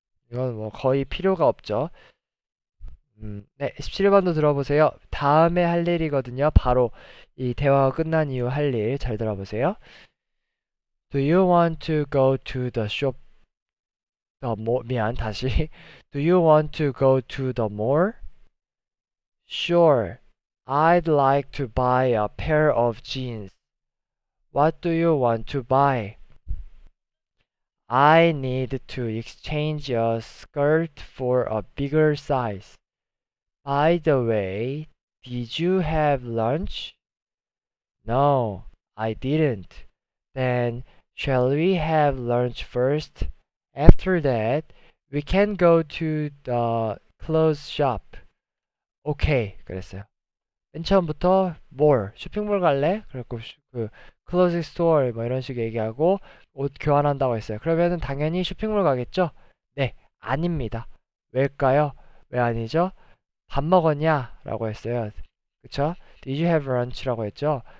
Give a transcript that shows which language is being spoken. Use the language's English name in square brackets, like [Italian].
[Korean] 이건 뭐 거의 필요가 없죠. 네, 17번도 들어보세요. 다음에 할 일이거든요. 바로 이 대화가 끝난 이후 할일잘 들어보세요. [English] Do you want to go to the shop? [Korean] 미안, 다시. [English] Do you want to go to the mall? Sure, I'd like to buy a pair of jeans. What do you want to buy? I need to exchange a skirt for a bigger size. By the way, did you have lunch? No, I didn't. Then, shall we have lunch first? After that, we can go to the clothes shop. [Korean] 오케이, 그랬어요. 맨 처음부터 뭘 쇼핑몰 갈래? 그리고 그 클로징 스토어 뭐 이런 식으로 얘기하고 옷 교환한다고 했어요. 그러면은 당연히 쇼핑몰 가겠죠? 네, 아닙니다. 왜일까요? 왜 아니죠? 밥 먹었냐라고 했어요. 그쵸? [English] Did you have lunch [Korean] 라고 했죠?